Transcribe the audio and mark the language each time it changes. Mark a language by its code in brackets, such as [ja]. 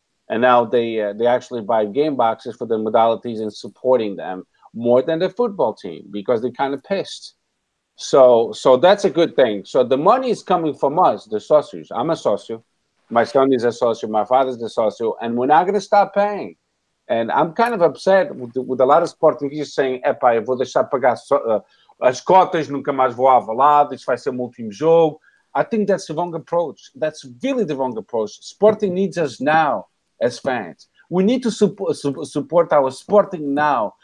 [en] And now they actually buy game boxes for the modalities and supporting them more than the football team because they're kind of pissed. So that's a good thing. So the money is coming from us, the socios. I'm a socio. My son is a socio. My father's a socio. And we're not going to stop paying. And I'm kind of upset with a lot of Sporting. [pt] He's saying, epa, eu vou deixar pagar as cotas, nunca mais vou avalar, isso vai ser o último jogo. [en] I think that's the wrong approach. That's really the wrong approach. Sporting needs us now. As fans, we need to support our Sporting now.